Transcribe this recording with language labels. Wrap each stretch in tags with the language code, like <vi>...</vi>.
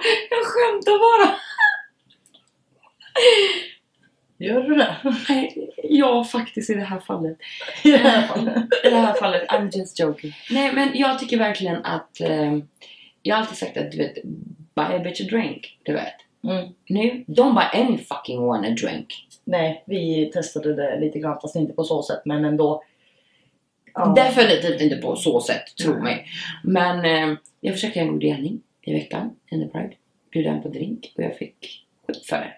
<sv>jag skämtar bara. Gör du det? Nej, jag faktiskt i det här fallet. I det här fallet. I det här fallet,</sv> <en>I'm just joking.</en> <sv>Nej, men jag tycker verkligen att, jag har alltid sagt att du vet,</sv> <en>buy a bitch a drink,</en> <sv>du vet.</sv> <en>Nu, don't buy any fucking one a drink.</en> <sv>Nej, vi testade det lite grann, fast inte på så sätt, men ändå. Definitivt inte på så sätt, tro mig. Men jag försökte en god gärning i veckan,</sv> <en>in the Pride.</en> <sv>Bjuda en på drink och jag fick skit för det.</sv>